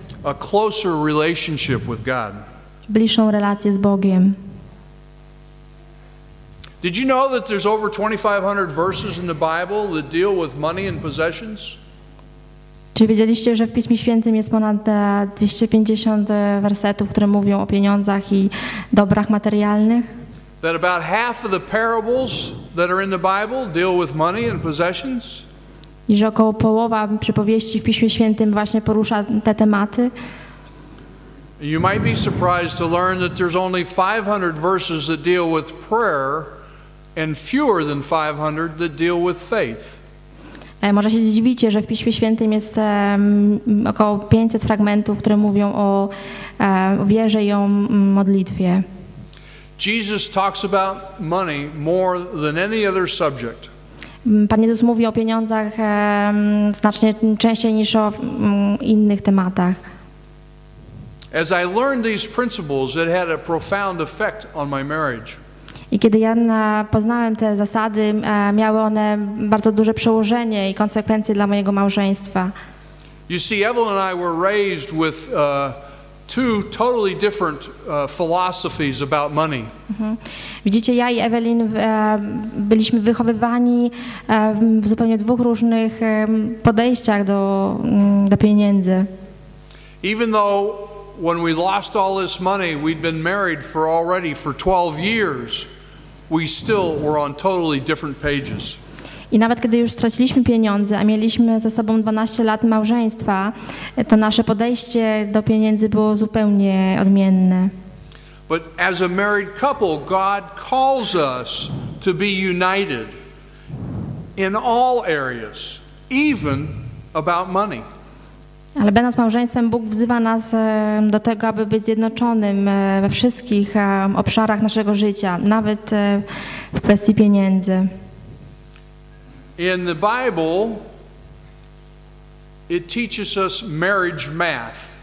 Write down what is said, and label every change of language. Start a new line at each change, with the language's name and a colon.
English: A closer relationship with God.
Polish: Bliższą relację z Bogiem.
English: Did you know that there's over 2500 verses in the Bible that deal with money and possessions?
Polish: Czy wiedzieliście, że w Piśmie Świętym jest ponad 250 wersetów, które mówią o pieniądzach i dobrach materialnych?
English: That about half of the parables that are in the Bible deal with money and possessions?
Polish: I że około połowa przypowieści w Piśmie Świętym właśnie porusza te tematy.
English: You might be surprised to learn that there's only 500 verses that deal with prayer and fewer than 500 that deal with faith.
Polish: Może się zdziwicie, że w Piśmie Świętym jest około 500 fragmentów, które mówią o wierze i o modlitwie.
English: Jesus talks about money more than any other subject.
Polish: Pan Jezus mówi o pieniądzach znacznie częściej niż o innych tematach.
English: As I learned these principles, it had a profound effect on my marriage.
Polish: I kiedy ja poznałem te zasady, miały one bardzo duże przełożenie i konsekwencje dla mojego małżeństwa.
English: You see, Evelyn and I were raised with two totally different philosophies about money.
Polish: Widzicie, ja i Evelyn byliśmy wychowywani w zupełnie 2 różnych podejściach do pieniędzy.
English: Even though when we lost all this money, we'd been married for 12 years. We still were on totally different pages.
Polish: I nawet kiedy już straciliśmy pieniądze, a mieliśmy za sobą 12 lat małżeństwa, to nasze podejście do pieniędzy było zupełnie odmienne.
English: But as a married couple, God calls us to be united in all areas, even about money.
Polish: Ale będąc małżeństwem, Bóg wzywa nas do tego, aby być zjednoczonym we wszystkich obszarach naszego życia, nawet w kwestii pieniędzy.
English: In the Bible, it teaches us marriage math.